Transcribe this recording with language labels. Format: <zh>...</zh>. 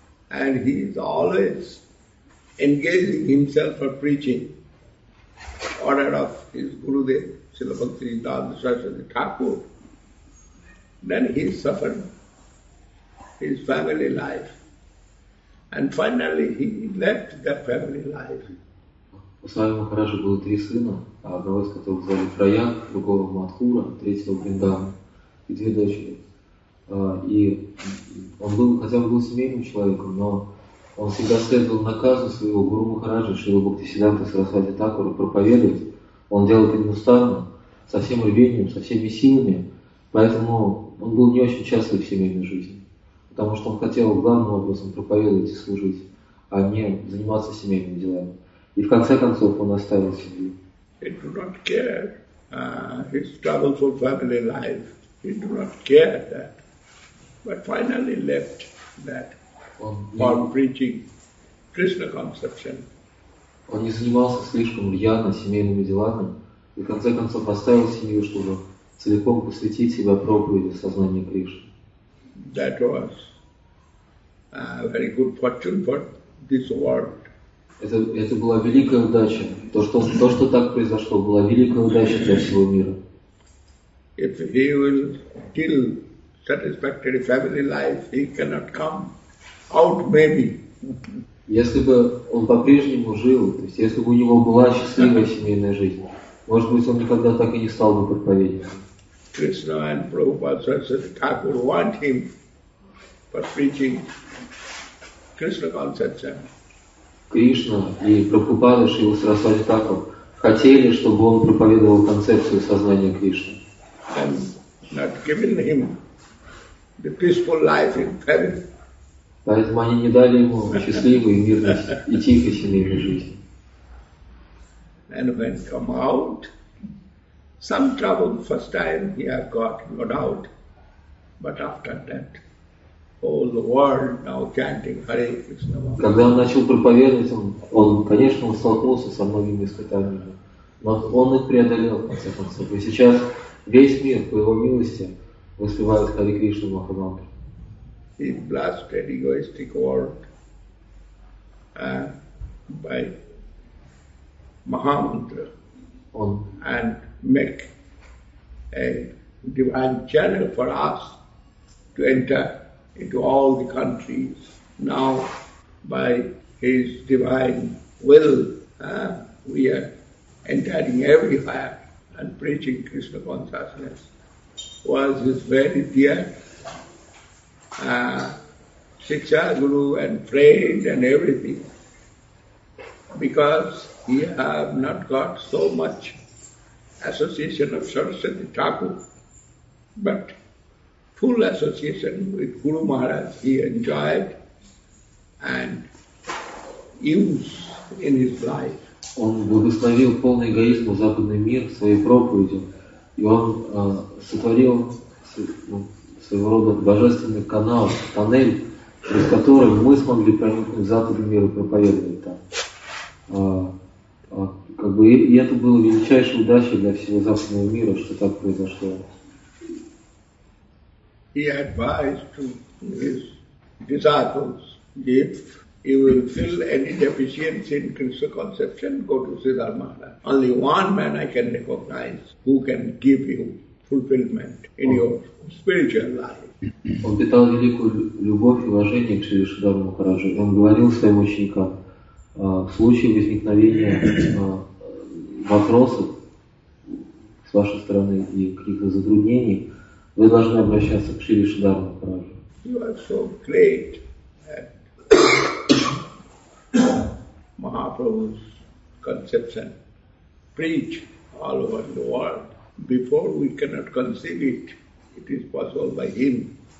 <en>And he is always engaging himself for preaching. Order of his Gurudev, Srila Bhakti Dada Saraswati Thakur. Then he suffered his family life. And finally, he left that family life.</en> <ru>У Свами Махараджа было три сына, одного из которых звали Праяг, другого Мадхура, третьего Бриндавана и две дочери. И он был, хотя бы был семейным человеком, но он всегда следовал наказу своего Гуру Махараджа, Шрила Бхактисиддханта Сарасвати Такура, проповедовать. Он делал это неустанно, со всем рвением, со всеми силами, поэтому он был не очень счастлив в семейной жизни. Потому что он хотел главным образом проповедовать и служить, а не заниматься семейными делами. И в конце концов он оставил семью.</ru> <en>He do not care his troubleful family life. He do not care that. But finally left that for preaching Krishna conception.</en> <ru>Он не занимался слишком рьяно семейными делами и в конце концов оставил семью, чтобы целиком посвятить себя проповеди сознания Кришны.</ru> <en>That was a very good fortune for this world.</en> <ru>Это была великая удача. То, что так произошло, была великая удача для всего мира.</ru> <en>If he will kill satisfactory family life, he cannot come out maybe.</en> <ru>Если бы он по-прежнему жил, то есть если бы у него была счастливая семейная жизнь, может быть, он никогда так и не стал бы проповедником.</ru> <en>Krishna and Prabhupada Saraswati Thakur want him for preaching Krishna conception.</en> <ru>Krishna and Prabhupada Srila Saraswati Thakur хотели, чтобы он проповедовал концепцию сознания Кришны.</ru> <en>And not giving him the peaceful life in heaven.</en> <ru>Поэтому они не дали ему счастливой, мирной и тихой семейной жизни.</ru> <en>And when come out, some trouble first time he had got, no doubt. But after that, all the world now chanting Hare Krishna.</en> <ru>Когда он начал проповедовать, он конечно, он столкнулся со многими испытаниями. Но он их преодолел, в конце концов. И сейчас весь мир, по его милости, воспевает Hare Krishna Махамантру.</ru> <en>He blasted egoistic world by Mahamantra. And make a divine channel for us to enter into all the countries. Now, by his divine will, we are entering everywhere and preaching Krishna consciousness. Was his very dear Shiksha Guru and friend and everything. Because he have not got so much association of Saraswati Thakur, but full association with Guru Maharaj he enjoyed and used in his life.</en> <ru>Он благословил полный эгоизм в западный мир своей проповедью, и он сотворил своего рода божественный канал, тоннель, через который мы смогли проникнуть в западный мир и проповедовать там. Как бы, и это было величайшей удачей для всего западного мира, что так произошло.</ru> <en>He advised to his disciples, if you will fill any deficiency in Krishna conception, go to Sridhar Maharaj. Only one man I can recognize who can give you fulfillment in your spiritual life.</en> <ru>Он питал великую любовь и уважение к Шридхару Махараджу. Он говорил своим ученикам, в случае возникновения вопросов с вашей стороны и каких-то затруднений, вы должны обращаться к Шридхару Махараджу.</ru> <en>You are so great at Mahaprabhu's conception. Preach all over the world. Before we cannot conceive it, it is possible by him.</en>